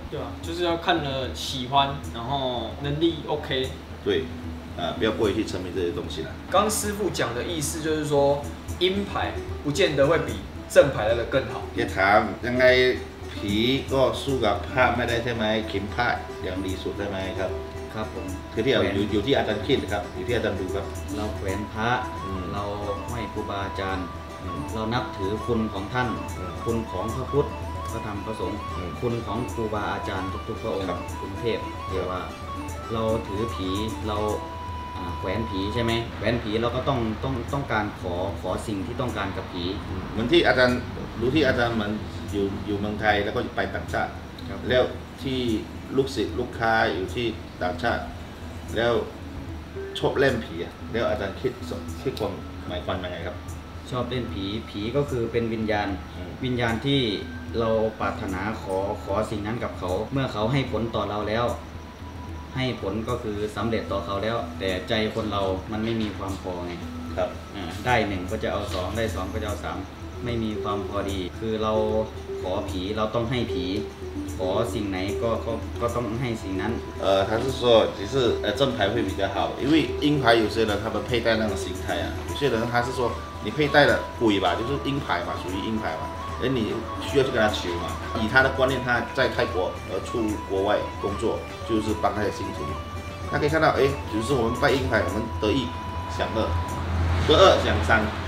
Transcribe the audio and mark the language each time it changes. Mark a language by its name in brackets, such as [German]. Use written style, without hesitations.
[Chinese] 对啊，就是要看了喜欢，然后能力 OK，对，不要过于去沉迷这些东西了。刚师父讲的意思就是说，阴牌不见得会比正牌来的更好。一谈，应该皮个树个拍，没得什么轻拍，两厘数在没看。 [Thai] ครับผม คือที่อยู่ที่อาจารย์คิดครับอยู่ที่อาจารย์ดูครับ เราแขวนพระเราไหว้ครูบาอาจารย์เรานับถือคุณของท่านคุณของพระพุทธพระธรรมพระสงฆ์คุณของครูบาอาจารย์ทุกๆพระองค์กรุงเทพเรียกว่าเราถือผีเราแขวนผีใช่ไหมแขวนผีเราก็ต้องการขอสิ่งที่ต้องการกับผี เหมือนที่อาจารย์รู้ที่อาจารย์เหมือนอยู่เมืองไทยแล้วก็ไปต่างชาติแล้วที่ลูกศิษย์ลูกค้าอยู่ที่ต่างชาติแล้วชอบเล่นผีแล้วอาจารย์คิดความหมายความยังไงครับ ชอบเล่นผีก็คือเป็นวิญญาณวิญญาณที่เราปรารถนาขอสิ่งนั้นกับเขาเมื่อเขาให้ผลต่อเราแล้วให้ผลก็คือสำเร็จต่อเขาแล้วแต่ใจคนเรามันไม่มีความพอไง ครับ ได้1ก็จะเอา2ได้2ก็จะเอา3ไม่มีความพอดีคือเราขอผีเราต้องให้ผีขอสิ่งไหนก็ต้องให้สิ่งนั้น ท่านจะบอกว่า [Chinese] 正牌会比较好因为阴牌有些人他们佩戴那种心态啊有些人他是说你佩戴了鬼吧就是阴牌嘛属于阴牌嘛而你需要去跟他求嘛以他的观念他在泰国出国外工作就是帮他的信徒他可以看到哎就是我们拜阴牌我们得一享乐得二享三